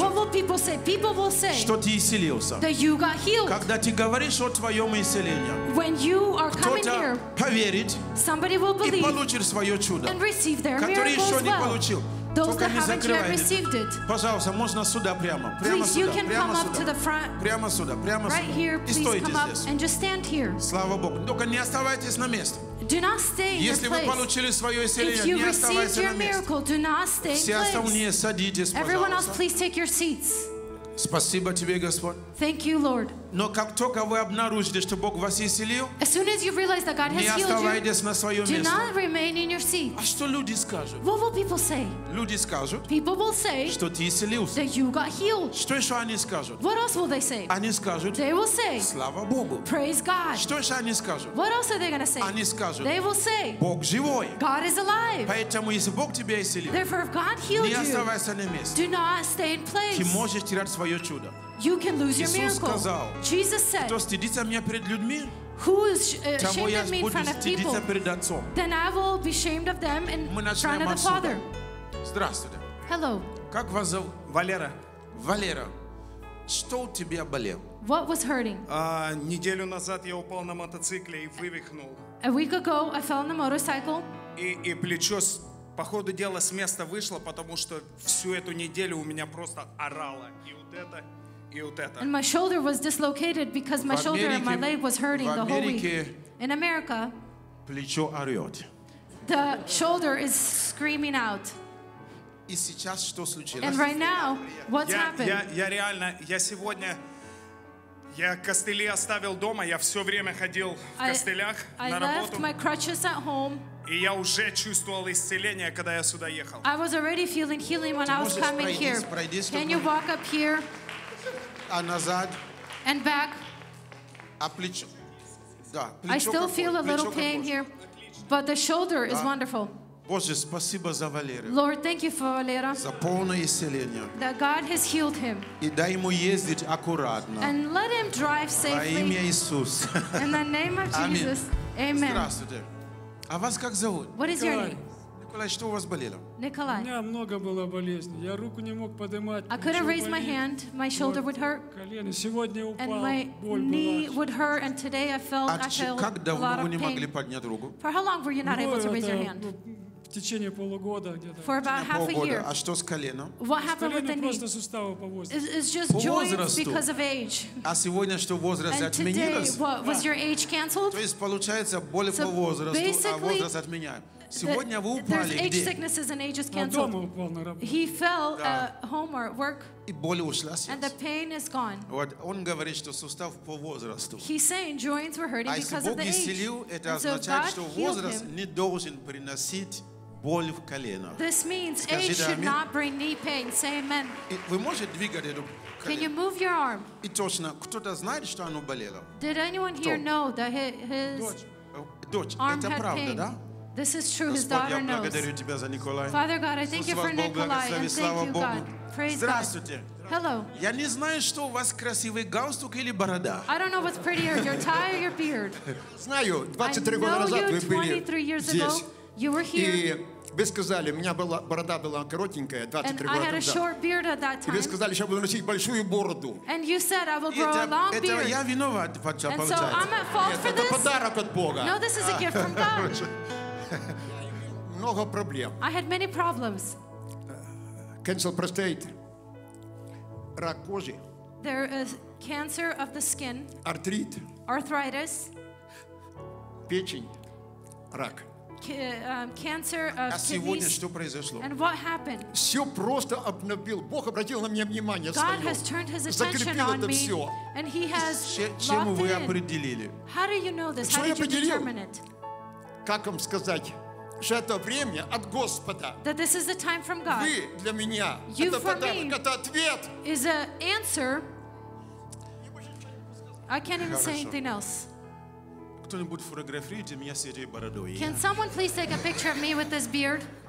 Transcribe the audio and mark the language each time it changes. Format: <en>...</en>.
<en>What will people say? People will say.</en> <ru>Что ты исцелился?</ru> <en>That you got healed.</en> <ru>Когда ты говоришь о твоем исцелении.</ru> <en>When you are coming here.</en> <ru>Поверит.</ru> <en>Somebody will believe.</en> <ru>И получит свое чудо.</ru> <en>And receive their miracle as well.</en> <ru>Который еще не получил.</ru> <en>Those that haven't yet received it.</en> <ru>Пожалуйста, можно сюда прямо.</ru> <en>Please, you can come up to the front.</en> <ru>Прямо сюда, прямо сюда.</ru> <en>Right here, please come up and just stand here.</en> <ru>Слава Богу. Только не оставайтесь на месте.</ru> <en>Do not stay in place.</en> <ru>Если вы получили свое исцеление,</ru> <en>if you received your miracle, do not stay in place.</en> <ru>Все остальные садитесь, пожалуйста.</ru> <en>Everyone else, please take your seats.</en> <ru>Спасибо тебе, Господь.</ru> <en>Thank you, Lord.</en> <ru>Но как только вы обнаружите, что Бог вас исцелил,</ru> <en>as soon as you realize that God has healed you,</en> <ru>не оставайтесь на своем месте.</ru> <en>Do not remain in your seat.</en> <ru>А что люди скажут?</ru> <en>What will people say?</en> <ru>Люди скажут.</ru> <en>People will say.</en> <ru>Что ты исцелился.</ru> <en>That you got healed.</en> <ru>Что еще они скажут?</ru> <en>What else will they say?</en> <ru>Они скажут.</ru> <en>They will say.</en> <ru>Слава Богу.</ru> <en>Praise God.</en> <ru>Что еще они скажут?</ru> <en>What else are they going to say?</en> <ru>Они скажут.</ru> <en>They will say.</en> <ru>Бог живой.</ru> <en>God is alive.</en> <ru>Поэтому если Бог тебя исцелил,</ru> <en>therefore if God healed you,</en> <ru>не оставайся на месте.</ru> <en>Do not stay in place.</en> <ru>Ты можешь терять свое чудо.</ru> <en>You can lose your miracle.</en> <ru>Сказал,</ru> <en>Jesus said, who is ashamed of me in front of people, then I will be ashamed of them in front of the Father.</en> <ru>Здравствуйте.</ru> <en>Hello.</en> <ru>Как вас зовут? Валера. Валера, что у тебя болело?</ru> <en>What was hurting?</en> <ru>Неделю назад я упал на мотоцикле и вывихнул.</ru> <en>A week ago I fell on the motorcycle.</en> <ru>И плечо по ходу дела с места вышло, потому что всю эту неделю у меня просто орало. И вот это...</ru> <en>And my shoulder was dislocated because my shoulder and my leg was hurting the whole week. In America,</en> <ru>плечо орёт.</ru> <en>The shoulder is screaming out.</en> <ru>И сейчас что случилось?</ru> <en>And right now, what's happened?</en> <ru>Я реально, я сегодня, я костыли оставил дома, я всё время ходил в костылях на работу.</ru> <en>I left my crutches at home.</en> <ru>И я уже чувствовал исцеление, когда я сюда ехал.</ru> <en>I was already feeling healing when I was coming here. Can you walk up here?</en> <ru>А назад.</ru> <en>And back.</en> <ru>А плечо. Да, плечо.</ru> <en>I still feel a little pain here, but the shoulder is wonderful.</en> <ru>Боже, спасибо за Валерию.</ru> <en>Lord, thank you for Валера.</en> <ru>За полное исцеление.</ru> <en>That God has healed him.</en> <ru>И дай ему ездить аккуратно.</ru> <en>And let him drive safely.</en> <ru>Во имя Иисуса.</ru> <en>In the name of Jesus. Amen.</en> <ru>Здравствуйте. А вас как зовут?</ru> <en>What is your name?</en> <ru>Николай, что у вас болело? Николай. У меня много было болезней. Я руку не мог поднимать.</ru> <en>I couldn't raise my hand. My shoulder would hurt.</en> <ru>Колено. Сегодня упал.</ru> <en>And my knee would hurt. And today I felt I felt a lot of pain.</en> <ru>Как давно вы не могли поднять руку?</ru> <en>For how long were you not able to raise your hand?</en> <ru>В течение полугода где-то.</ru> <en>For about half a year.</en> <ru>А что с коленом?</ru> <en>What happened with the knee?</en> <ru>Просто суставы по возрасту.</ru> <en>It's just joints because of age.</en> <ru>А сегодня что возраст отменилось?</ru> <en>And today, what was your age canceled?</en> <ru>То есть получается боли по возрасту, а возраст отменяют. Сегодня вы упали.</ru> <en>There's age sicknesses and age is canceled. He fell at home or at work.</en> <ru>И боль ушла.</ru> <en>And the pain is gone.</en> <ru>Вот он говорит, что сустав по возрасту.</ru> <en>He's saying joints were hurting because of the age.</en> <ru>А если Бог исцелил, это означает, что возраст не должен приносить боль в колено.</ru> <en>This means age should not bring knee pain. Say amen.</en> <ru>Вы можете двигать эту?</ru> <en>Can you move your arm?</en> <ru>И точно, кто-то знает, что оно болело?</ru> <en>Did anyone here know that his arm had pain? This is true, his daughter knows. Father God, I thank you for Nikolai, and thank you, God. Praise God. Hello. I don't know what's prettier, your tie or your beard. I know you 23 years ago, you were here.</en> <ru>Вы сказали, у меня была борода была коротенькая, 23 года.</ru> <en>And I had a short beard at that time.</en> <ru>И вы сказали, что буду носить большую бороду.</ru> <en>And you said I will grow a long beard.</en> <ru>Это я виноват, получается.</ru> <en>And so I'm at fault for this.</en> <ru>Это подарок от Бога.</ru> <en>No, this is a gift from God.</en> <ru>Много проблем.</ru> <en>I had many problems. Cancer prostate.</en> <ru>Рак кожи.</ru> <en>There is cancer of the skin.</en> <ru>Артрит.</ru> <en>Arthritis.</en> <ru>Печень. Рак.</ru> <en>Cancer of</en> <ru>kidneys. А сегодня что произошло?</ru> <en>And what happened?</en> <ru>Все просто обновил. Бог обратил на меня внимание свое.</ru> <en>God has turned his attention on me. And he has</en> <ru>чем вы определили?</ru> <en>How do you know this? How did you determine it?</en> <ru>Как вам сказать? это время от Господа.</ru> <en>That this is the time from God.</en> <ru>Вы для меня</ru> <en>you</en> <ru>это подарок, это ответ.</ru> <en>Is an answer. I can't even</en> <ru>Хорошо.</ru> <en>Say anything else.</en> <ru>Кто-нибудь фотографирует меня с этой бородой?</ru> <en>Can someone please take a picture of me with this beard?</en>